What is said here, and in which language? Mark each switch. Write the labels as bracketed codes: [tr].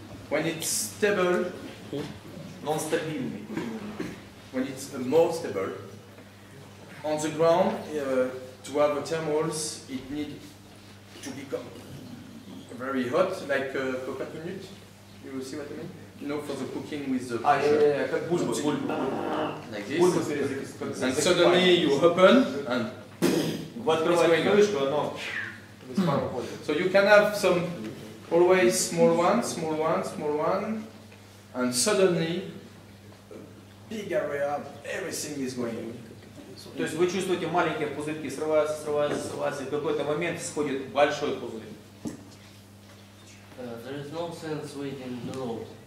[en] When it's stable, non-stable. When it's more stable, on the ground, to have a thermals, it need to become very hot, like a couple of minutes. You see what I mean? You know, for the cooking with the pressure. And suddenly you open and it's going on. So you can have some always small ones, small ones, small ones, and suddenly a big area, everything is going on. [ru] То есть вы чувствуете маленькие пузырьки, срываются, срываются, срываются, и в какой-то момент сходит большой пузырь. [en] There is no sense waiting in the road.